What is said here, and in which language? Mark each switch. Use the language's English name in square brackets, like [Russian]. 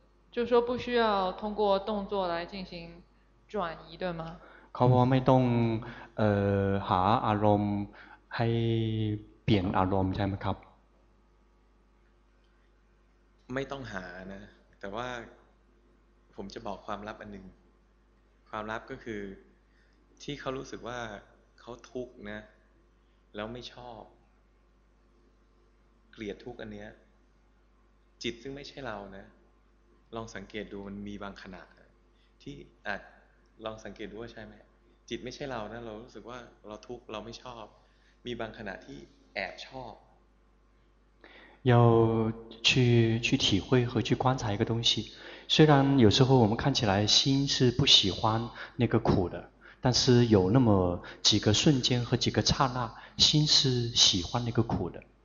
[Chinese] 就是说不需要通过动作来进行转移对吗 [Thai] เขาบอกไม่ต้องหาอารมณ์ให้เปลี่ยนอารมณ์ใช่ไหมครับ ไม่ต้องหานะแต่ว่าผมจะบอกความลับอันหนึ่งความลับก็คือที่เขารู้สึกว่าเขาทุกข์นะแล้วไม่ชอบเกลียดทุกข์อันเนี้ยจิตซึ่งไม่ใช่เรานะลองสังเกตดูมันมีบางขณะที่อาจลองสังเกตดูว่าใช่ไหมจิตไม่ใช่เรานะเรารู้สึกว่าเราทุกข์เราไม่ชอบมีบางขณะที่แอบชอบ [Chinese] 要去体会和去观察一个东西虽然有时候我们看起来心是不喜欢那个苦的但是有那么几个瞬间和几个刹那心是喜欢那个苦的